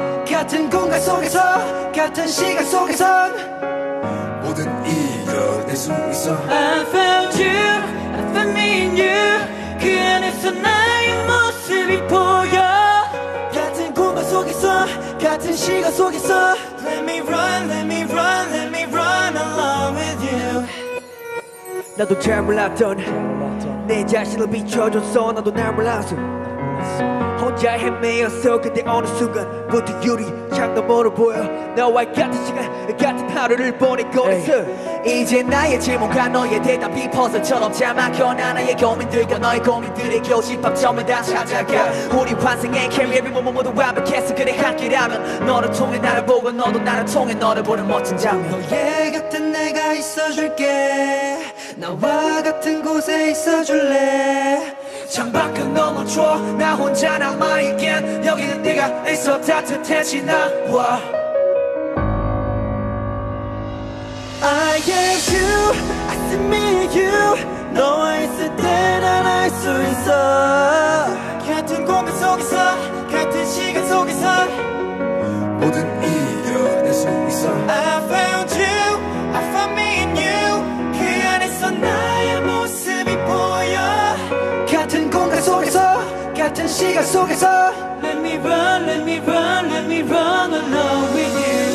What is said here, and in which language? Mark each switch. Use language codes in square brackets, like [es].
[ko] 같은 공간 속에서 같은 시간 속에서 모든 이겨낼 수 있어. [en] I found you, I found me in you. [ko] 그 안에서 나의 모습이 보여. 같은 공간 속에서 같은 시간 속에서 [en] Let me run, let me run, let me run along with you. [ko] 나도 잘 몰랐던 내 자신을 비춰줬어. 나도 날 몰랐어. 혼자 헤매였어. 그때 어느 순간 문득 유리 창 너머로 보여. 너와 같은 시간 같은 하루를 보내고 있어. 이제 나의 질문과 너의 대답이 퍼즐처럼 짜막혀. 나 나의 고민들과 너의 고민들의 교집합점을 다 찾아가. 우리 환생의 캐리어비 모모 모두 완벽해서 그래 함께라면 너를 통해 나를 보고 너도 나를 통해 너를 보는 멋진 장면. 너의 곁은 내가 있어줄게. 너와 같은 곳에 있어줄래. 창밖은 너무 추워 나 혼자 남아있겐. 여기는 네가 있어 따뜻해지나 봐. [en] I gave you, I still need you. [ko] 너와 있을 때 난 알 수 있어. 같은 공간 속에서 같은 시간 속에서 모든 이겨낼 수 있어. [en] I found you, I found me in you. [ko] 그 안에서 나의 모습이 보여. 같은 공간 속에서 같은 시간 속에서 [en] Let me run, let me run, let me run along with you.